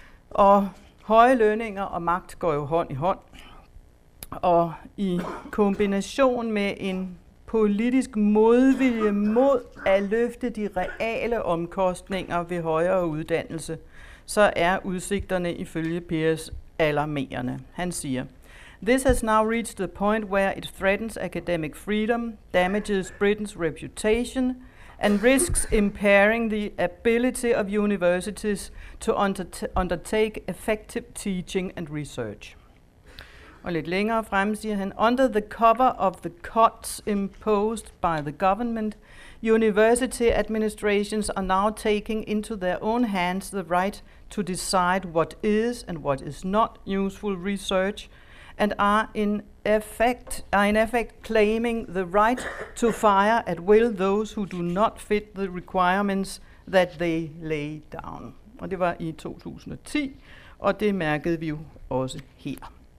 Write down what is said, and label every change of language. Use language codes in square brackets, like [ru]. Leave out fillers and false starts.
[da] Og høje lønninger og magt går jo hånd i hånd. Og i kombination med en politisk modvilje mod at løfte de reale omkostninger ved højere uddannelse, så er udsigterne ifølge Pierce alarmerende. Han siger, [en] This has now reached the point where it threatens academic freedom, damages Britain's reputation, and risks impairing the ability of universities to undertake effective teaching and research. [da] Og lidt længere frem siger han, [en] under the cover of the cuts imposed by the government, university administrations are now taking into their own hands the right to decide what is and what is not useful research, and are in effect claiming the right to fire at will those who do not fit the requirements that they lay down. [da] Og det var i 2010, og det mærkede vi jo også her.